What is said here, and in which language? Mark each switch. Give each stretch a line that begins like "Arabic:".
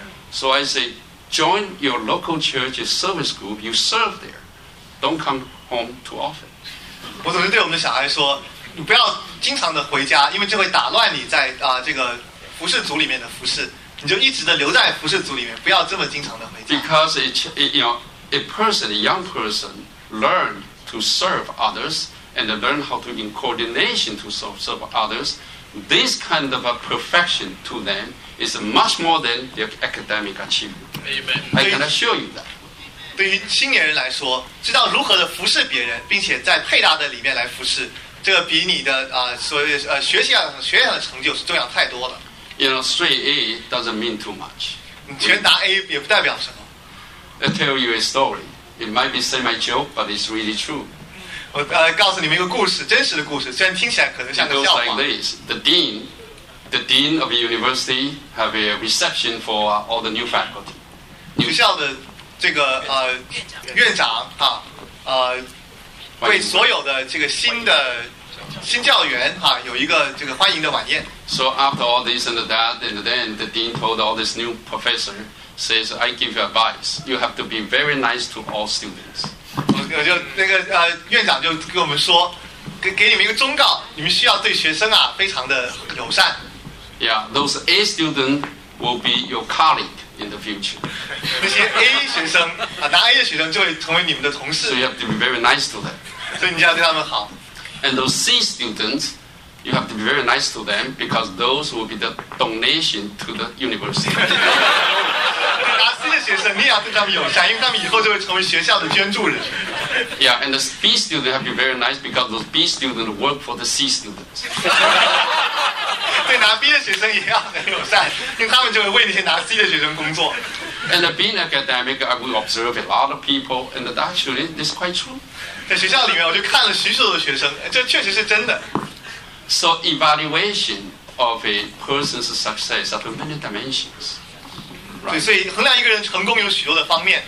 English: So I say, join your local church's service group. You serve there. Don't come home too often.
Chinese: 我总是对我们的小孩说，你不要经常的回家，因为这会打乱你在这个服事组里面的服事。你就一直的留在服事组里面，不要这么经常的回家。
English: Because a young person learn to serve others and learn how to in coordination to serve others. This kind of a perfection to them. is much more than their academic achievement. Amen. I can assure you that.
Chinese: 对于青年人来说，知道如何的服侍别人，并且在配搭的里面来服侍，这个比你的所谓学习上的成就是重要太多了。
English: You know, straight A doesn't mean too much.
Chinese: 全答 A 也不代表什么。
English: I tell you a story. It might be semi-joke, but it's really true.
Chinese: 我告诉你们一个故事，真实的故事，虽然听起来可能像个笑话。
English: It goes like this: the dean of the university have a reception for all the new faculty.
Chinese: 学校的这个院长哈为所有的这个新教员哈有一个这个欢迎的晚宴。
English: So after all this and that, and then the dean told all this new professor. Says, I give you advice. You have to be very nice to all students.
Chinese: 就那个院长就跟我们说，给你们一个忠告，你们需要对学生啊非常的友善。
English: Yeah, those A students will be your colleague in the future.
Chinese: 那些 A 学生啊，拿 A 的学生就会成为你们的同事。
English: So you have to be very nice to them.
Chinese: 所以你就要对他们好。
English: And those C students. You have to be very nice to them because those will be the donation to the university.
Chinese: 拿 C 的学生，你也要对他们友善，因为他们以后就会成为学校的捐助人。
English: Yeah, and the B students have to be very nice because those B students work for the C students.
Chinese: 对，拿 B 的学生也要很友善，因为他们就会为那些拿 C 的学生工作。
English: And being academic, I will observe a lot of people, and actually, this is quite true.
Chinese: 在学校里面，我就看了许许多多的学生，这确实是真的。
English: So evaluation of a person's success are many dimensions.、Right?
Chinese: 对，所以衡量一个人成功有许多的方面。